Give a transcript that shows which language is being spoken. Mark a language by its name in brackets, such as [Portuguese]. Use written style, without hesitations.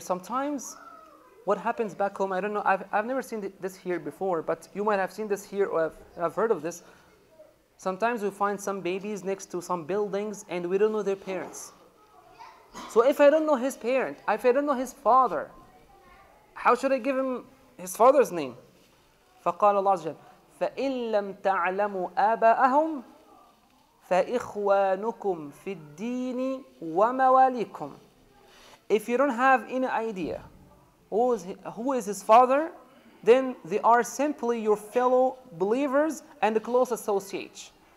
[English] Sometimes what happens back home, I don't know, I've never seen this here before, but you might have seen this here or have heard of this. Sometimes we find some babies next to some buildings and we don't know their parents. So if I don't know his parent, if I don't know his father, how should I give him his father's name? [Arabic] فقال الله عز وجل فإن لم تعلموا آباءهم فإخوانكم في الدين ومواليكم. [English] If you don't have any idea who is his father, then they are simply your fellow believers and the close associates.